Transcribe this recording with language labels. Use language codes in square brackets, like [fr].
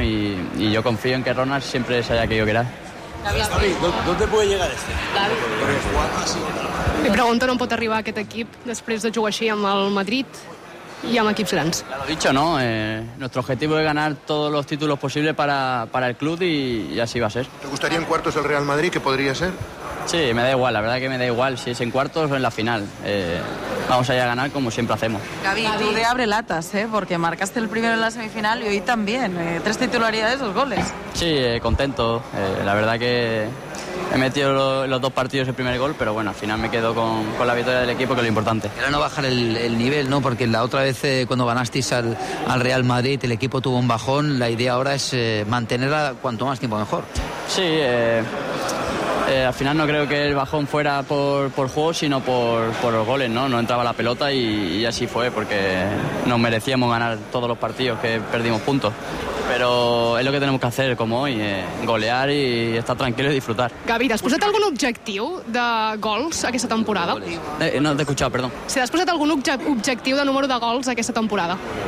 [es] Y yo confío en que Ronald siempre se haya querido quedar. Gavi, ¿dónde puede llegar este? Me pregunto, [ca] ¿no pot arribar aquest equip després de jugar així amb el Madrid y amb equips grans? [es] Ya lo he dicho, ¿no? Nuestro objetivo es ganar todos los títulos posibles para el club y así va a ser. ¿Te gustaría en cuartos el Real Madrid? ¿Qué podría ser? Sí, me da igual, la verdad que me da igual si es en cuartos o en la final. Vamos allá a ganar como siempre hacemos. Gavi, tú de abre latas, porque marcaste el primero en la semifinal y hoy también. Tres titularidades, dos goles. Sí, contento. La verdad que he metido los dos partidos el primer gol, pero bueno, al final me quedo con la victoria del equipo, que es lo importante. Era no bajar el nivel, ¿no? Porque la otra vez cuando ganasteis al Real Madrid, el equipo tuvo un bajón. La idea ahora es mantenerla cuanto más tiempo mejor. Sí, al final no creo que el bajón fuera por juego, sino por los goles, ¿no? No entraba la pelota y así fue, porque nos merecíamos ganar todos los partidos que perdimos puntos. Pero es lo que tenemos que hacer, como hoy, golear y estar tranquilo y disfrutar. [ca] Gavi, ¿t'has posat algun objectiu de gols aquesta temporada? [es] No, t'he escuchado, perdón. [ca] Si t'has posat algun objectiu de número de gols aquesta temporada?